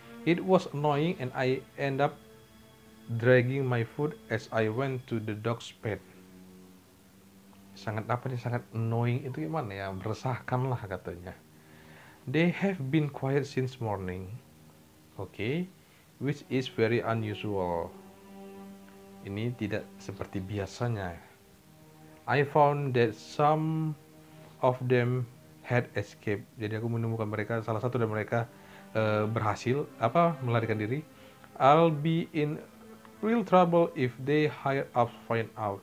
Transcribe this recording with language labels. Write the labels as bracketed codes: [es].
[en] It was annoying and I end up dragging my foot as I went to the dog's bed. [id] Sangat annoying itu gimana ya? Meresahkan lah katanya. [en] They have been quiet since morning. Okay, which is very unusual. [id] Ini tidak seperti biasanya. [en] I found that some of them had escaped. [id] Jadi aku menemukan mereka, salah satu dari mereka berhasil melarikan diri. [en] I'll be in real trouble if they hire up find out.